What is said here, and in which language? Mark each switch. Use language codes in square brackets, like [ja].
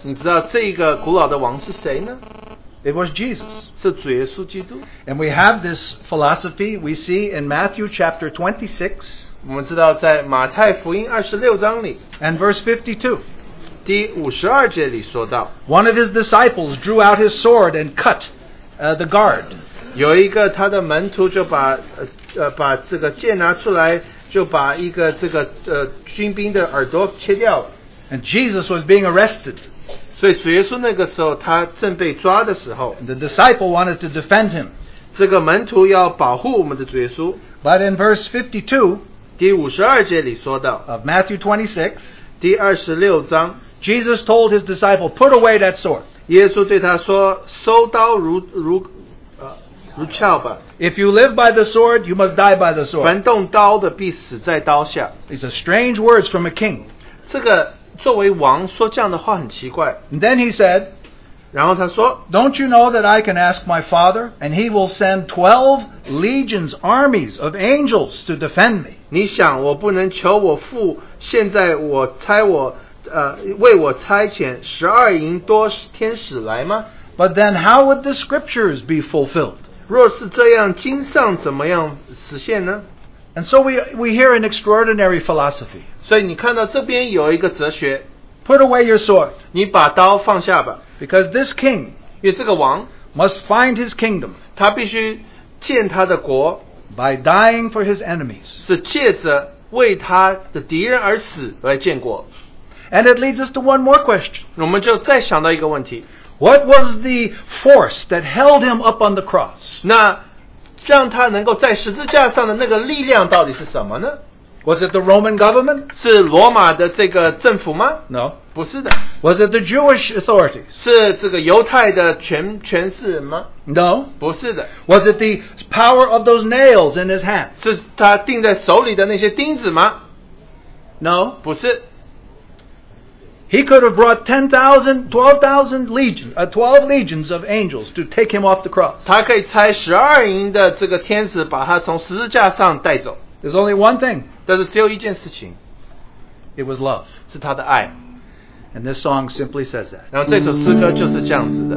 [zh] 你知道这个古老的王是谁呢? [en] It was Jesus. [zh] 是主耶稣基督。 [en] And we have this philosophy we see in Matthew chapter 26. [zh] 我们知道在马太福音二十六章里。 [en] And verse 52. [zh] 第五十二节里说到 [en] One of his disciples drew out his sword and cut the guard. [zh] 有一个他的门徒就把这个剑拿出来就把一个这个军兵的耳朵切掉 [en] And Jesus was being arrested. [zh] 所以主耶稣那个时候他正被抓的时候 [en] The disciple wanted to defend him. [zh] 这个门徒要保护我们的主耶稣 [en] But in verse 52 [zh] 第五十二节里说到 [en] of Matthew 26 [zh] 第二十六章 [en] Jesus told his disciple, put away that sword. [zh] 耶稣对他说收刀如鞘吧 [en] If you live by the sword, you must die by the sword. [zh] 凡动刀的必死在刀下 [en] These are strange words from a king. [zh] 这个作为王说这样的话很奇怪 [en] And then he said, [zh] 然后他说 [en] Don't you know that I can ask my father and he will send 12 legions, armies of angels to defend me? [zh] 你想我不能求我父现在我差我为我差遣十二营多天使来吗 [en] But then how would the scriptures be fulfilled? [zh] 若是这样经上怎么样实现呢 [en] And so we hear an extraordinary philosophy. [zh] 所以你看到这边有一个哲学 [en] Put away your sword. [zh] 你把刀放下吧 [en] Because this king [zh] 因为这个王 [en] must find his kingdom. [zh] 他必须建他的国 [en] by dying for his enemies. [zh] 是借着为他的敌人而死来建国。 [en] And it leads us to one more question. [zh] 我们就再想到一个问题。 [en] What was the force that held him up on the cross? [zh] 那让他能够在十字架上的那个力量到底是什么呢? [en] Was it the Roman government? [zh] 是罗马的这个政府吗? [en] No. [zh] 不是的。 [en] Was it the Jewish authorities? [zh] 是这个犹太的权势人吗? [en] No. [zh] 不是的。 [en] Was it the power of those nails in his hand? [zh] 是他钉在手里的那些钉子吗? [en] No. [zh] 不是。 [en] He could have brought 12 legions of angels to take him off the cross. [zh] 他可以差十二营的这个天使把他从十字架上带走。 [en] There's only one thing. [zh] 但是只有一件事情。 [en] It was love. [zh] 是他的爱。 [en] And this song simply says that. [zh] 然后这首诗歌就是这样子的。